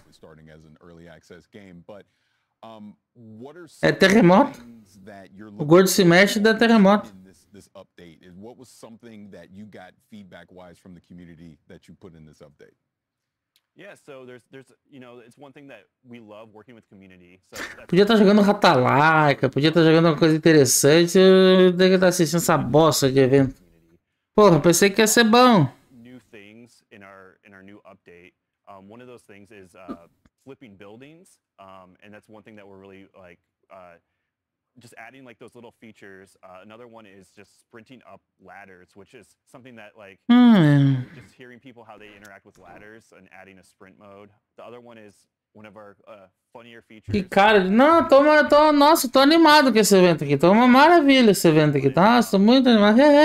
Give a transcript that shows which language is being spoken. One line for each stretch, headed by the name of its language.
English: Starting as an early access game, but what are some things that you're looking for?
Portuguese: O gordo se mexe da terremoto.
English: This update, what was something that you got feedback wise from the community that you put in this update? Yeah, so there's you know, it's one thing that we love working with community. So
Portuguese: podia estar jogando Ratalaika, podia estar jogando uma coisa interessante, eu devia estar assistindo essa bosta de evento. Porra, pensei que ia ser bom.
English: New things in our new update. One of those things is flipping buildings, and that's one thing that we're really like just adding like those little features. Another one is just sprinting up ladders, which is something that like just hearing people how they interact with ladders and adding a sprint mode. The other one is one of our funnier features.
Portuguese: Que cara, não, tô animado com esse evento aqui. Tô uma maravilha esse evento aqui. Nossa, tô muito animado.